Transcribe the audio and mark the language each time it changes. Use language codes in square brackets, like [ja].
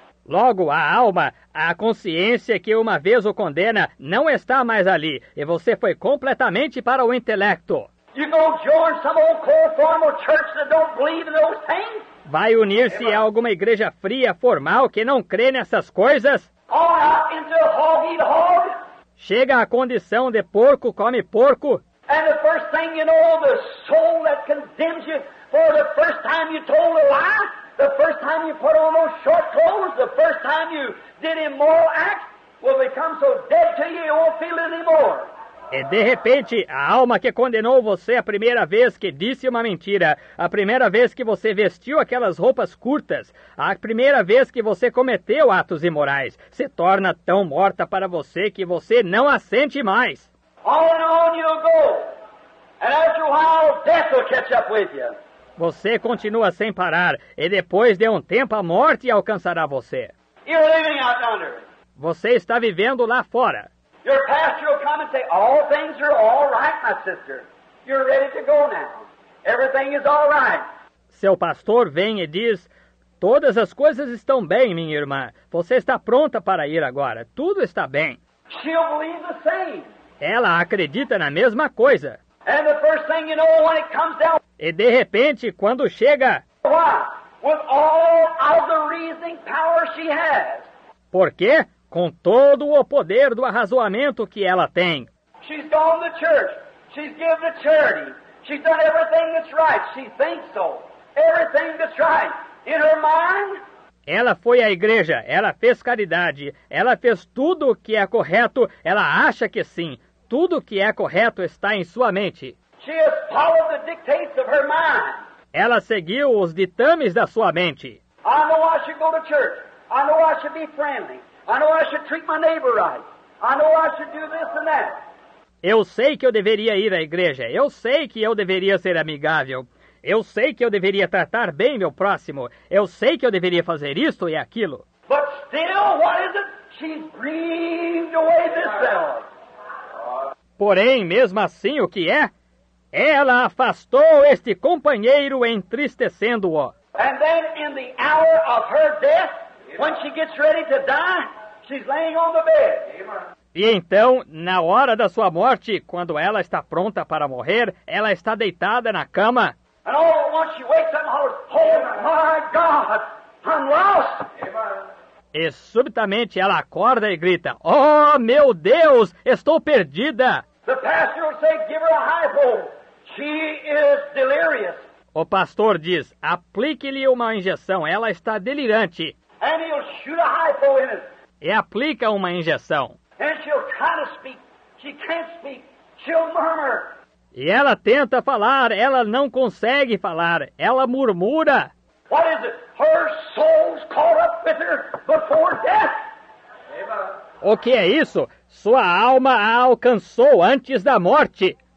[pt] Logo, a alma, a consciência que uma vez o condena, não está mais ali, e você foi completamente para o intelecto. [en] You go join some old cold formal church that don't believe in those things? [pt] Vai unir-se a alguma igreja fria, formal, que não crê nessas coisas? [en] All out into a hog eat hog? [pt] Chega à condição de porco come porco? [en] And the first thing you know, the soul that condemns you for the first time you told a lie, the first time you put on those short clothes, the first time you did immoral acts, will become so dead to you, you won't feel it anymore. [pt] E de repente, a alma que condenou você a primeira vez que disse uma mentira, a primeira vez que você vestiu aquelas roupas curtas, a primeira vez que você cometeu atos imorais, se torna tão morta para você que você não a sente mais. [en] All and on you'll go. And after a while, death will catch up with you. [pt] Você continua sem parar, e depois de um tempo a morte alcançará você. [en] You're living out under. [pt] Você está vivendo lá fora. [en] Your pastor will come and say, all things are all right, my sister. You're ready to go now. Everything is all right. [pt] Seu pastor vem e diz, todas as coisas estão bem, minha irmã. Você está pronta para ir agora. Tudo está bem. [en] She'll believe the same. [pt] Ela acredita na mesma coisa. [en] And the first thing you know, when it comes down, [pt] e de repente, quando chega, [en] why? With all of the reasoning power she has. [pt] Por quê? Com todo o poder do arrazoamento que ela tem. [en] She's gone to church. She's given to charity. She's done everything that's right. She thinks so. Everything that's right. In her mind. [pt] Ela foi à igreja, ela fez caridade, ela fez tudo o que é correto, ela acha que sim. Tudo o que é correto está em sua mente. [en] She has followed the dictates of her mind. [pt] Ela seguiu os ditames da sua mente. [en] I know I should go to church. I know I should be friendly. I know I should treat my neighbor right. I know I should do this and that. [pt] Eu sei que eu deveria ir à igreja. Eu sei que eu deveria ser amigável. Eu sei que eu deveria tratar bem meu próximo. Eu sei que eu deveria fazer isto e aquilo. [en] But still, what is it? She's grieved away this hour. [pt] Porém, mesmo assim, o que é? Ela afastou este companheiro entristecendo-o. [en] And then in the hour of her death, when she gets ready to die, she's laying on the bed. [pt] E então, na hora da sua morte, quando ela está pronta para morrer, ela está deitada na cama. [en] And all at once she wakes up and hollers, oh my God, I'm lost. [pt] E subitamente ela acorda e grita, oh meu Deus, estou perdida. [en] The pastor will say, give her a hypo. She is delirious. [pt] O pastor diz, aplique-lhe uma injeção, ela está delirante. [en] And he'll shoot a hypo in it. [pt] E aplica uma injeção. [en] And she'll try to speak. She can't speak. She'll murmur. [pt] E ela tenta falar, ela não consegue falar, ela murmura. [en] What is it? Her soul's caught up with her before death. [pt] O que é isso? Sua alma a alcançou antes da morte.